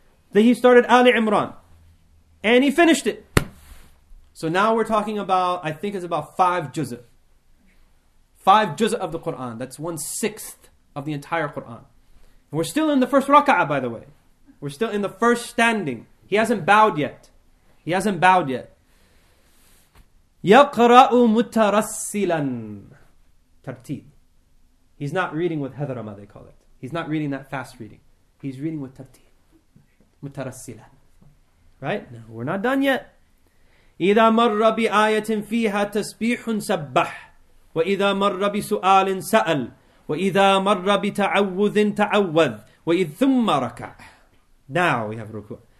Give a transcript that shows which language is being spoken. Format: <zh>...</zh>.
<en>Then he started Ali Imran. And he finished it. So now we're talking about, I think it's about 5 juz'a. 5 juz'a of the Qur'an. That's 1/6 of the entire Qur'an. And we're still in the first raka'ah, by the way. We're still in the first standing. He hasn't bowed yet. He hasn't bowed yet.</en> <ar>يَقْرَأُ مُتَرَسِّلًا Tartib.</ar> <en>He's not reading with hadrama, they call it. He's not reading that fast reading. He's reading with tartib.</en> <ar>مُتَرَسِّلًا.</ar> <en>Right? No, we're not done yet.</en> <ar>إِذَا مَرَّ بِآيَةٍ فِيهَا تَسْبِيحٌ سَبَّحٌ وَإِذَا مَرَّ بِسُؤَالٍ سَأَلْ وَإِذَا مَرَّ بِتَعَوُّذٍ تَعَوَّذْ وَإِذْ ثُمَّ رَكَعْ.</ar> <en>Now we have ruku.</en>